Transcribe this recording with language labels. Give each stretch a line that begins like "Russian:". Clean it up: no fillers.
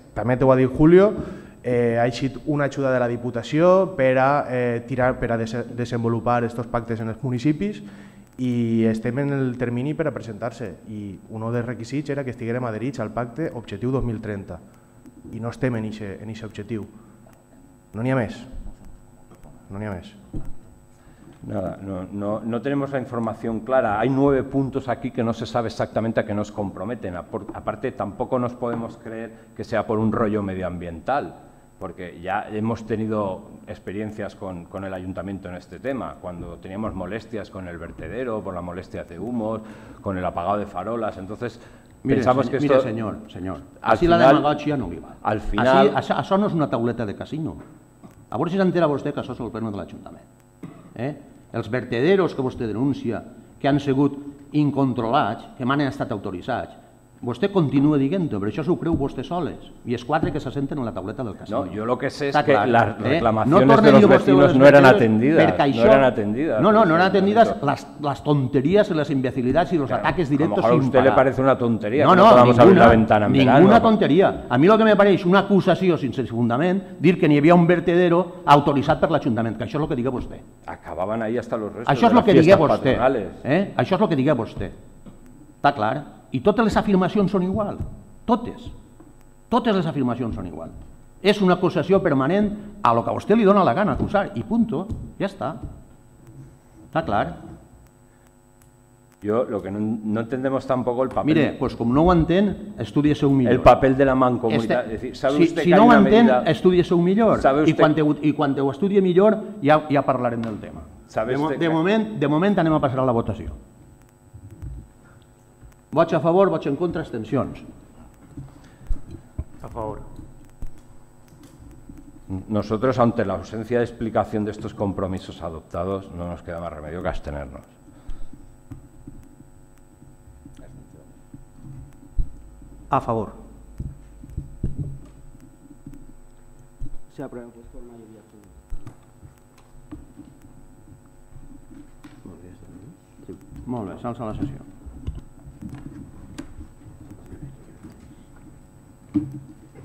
Catalan: També t'ho ha dit Julio, ha eixit una ajuda de la Diputació per a desenvolupar aquests pactes en els municipis i estem en el termini per a presentar-se. I un dels requisits era que estiguem adherits al pacte Objectiu 2030 i no estem en aquest objectiu. No n'hi ha més. No n'hi ha més.
Spanish: Nada, no tenemos la información clara. Hay 9 puntos aquí que no se sabe exactamente a qué nos comprometen. Aparte, tampoco nos podemos creer que sea por un rollo medioambiental, porque ya hemos tenido experiencias con el ayuntamiento en este tema, cuando teníamos molestias con el vertedero, por las molestias de humos, con el apagado de farolas. Entonces, mire, pensamos que esto… Mire, señor, así la demagogia no viva. Al final… Eso no es una tauleta de casino. A ver si se entera usted que eso es el pleno del ayuntamiento.
Catalan: Els vertederos que vostè denuncia, que han sigut incontrolats, que m'han estat autoritzats, vostè continua dient-ho, però això s'ho creu vostè soles. I els quatre que se senten a la tauleta del casino. No, jo el que sé és que les reclamacions
Spanish: de los vecinos
Catalan: no eren atendides. No eren atendides les tonteries i les imbecilitats i els ataques directos.
Spanish: A lo mejor a usted le parece una tontería que no podamos abrir la ventana en verano. Ninguna tonteria.
Catalan: A mi el que me pareix una acusació sense fundament, dir que n'hi havia un vertedero autoritzat per l'Ajuntament, que això és el que digui vostè.
Spanish: Acabaven ahí hasta los restos de las fiestas patronales.
Catalan: Això és el que digui vostè. Està clar? I totes les afirmacions són igual, totes. Totes les afirmacions són igual. És una acusació permanent a lo que a vostè li dona la gana acusar, i punto, ja està. Està clar?
Spanish: Jo, lo que no entendemos tampoco
Catalan: el paper... Mire, pues com no ho entén, estudia-se un millor. El paper de la mancomunitat. Si no ho entén, estudia-se un millor. I quan ho estudia millor, ja parlarem del tema. De moment anem a passar a la votació. Vaig a favor, vaig en contra, abstencions. A favor.
Spanish: Nosotros, ante la ausencia de explicación de estos compromisos adoptados, no nos queda más remedio que abstenernos.
Catalan: A favor.
Spanish: Se aprueba pues por mayoría.
Catalan: Molt bé, s'alça la sessió.
English: Thank you.